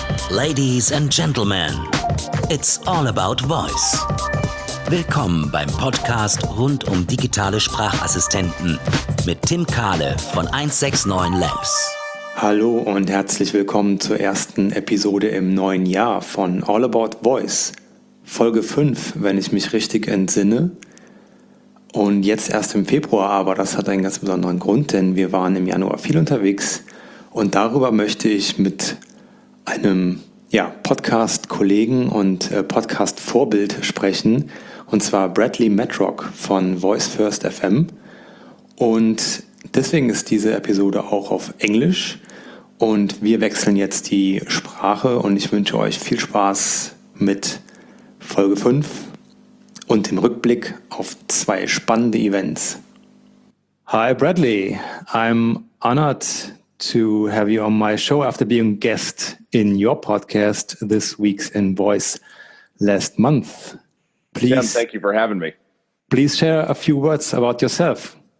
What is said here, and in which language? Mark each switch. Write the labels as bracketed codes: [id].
[en] Ladies and Gentlemen, it's all about voice. [de] Willkommen beim Podcast rund um digitale Sprachassistenten mit Tim Kahle von 169 Labs. Hallo und herzlich willkommen zur ersten Episode im neuen Jahr von All About Voice. Folge 5, wenn ich mich richtig entsinne. Und jetzt erst im Februar, aber das hat einen ganz besonderen Grund, denn wir waren im Januar viel unterwegs. Und darüber möchte ich mit einem Podcast-Kollegen und Podcast-Vorbild sprechen. Und zwar Bradley Matrock von Voice First FM. Und deswegen ist diese Episode auch auf Englisch. Und wir wechseln jetzt die Sprache und ich wünsche euch viel Spaß mit Folge 5 und dem Rückblick auf zwei spannende Events. [en] Hi Bradley, I'm honored to have you on my show after being guest in your podcast this week's in Voice last month. Please, Tim, thank you for having me. Please share a few words about yourself.